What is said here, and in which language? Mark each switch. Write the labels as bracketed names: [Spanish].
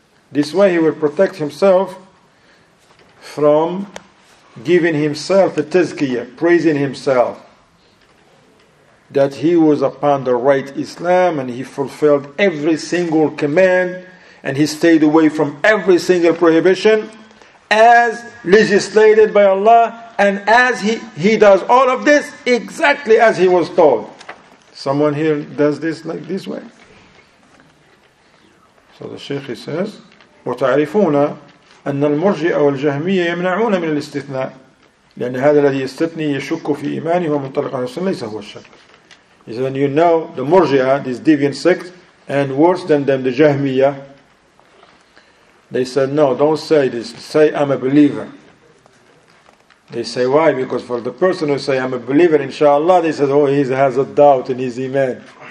[English] This way he will protect himself from giving himself a tazkiyah, praising himself that he was upon the right Islam and he fulfilled every single command and he stayed away from every single prohibition as legislated by Allah, and as he does all of this exactly as he was told. Someone here does this like this way. So the Sheikh he says, [Arabic] وَتَعْرِفُونَ أن المرجئة والجهمية يمنعون من الاستثناء لأن هذا الذي يستثني يشك في إيمانه ومنطلق عن السنة ليس هو الشك. [English] He said, you know the murji'ah, this deviant sect, and worse than them, the jahmiya. They said, no, don't say this. Say, I'm a believer. They say, why? Because for the person who say, I'm a believer, inshallah, they said, oh, he has a doubt in his iman.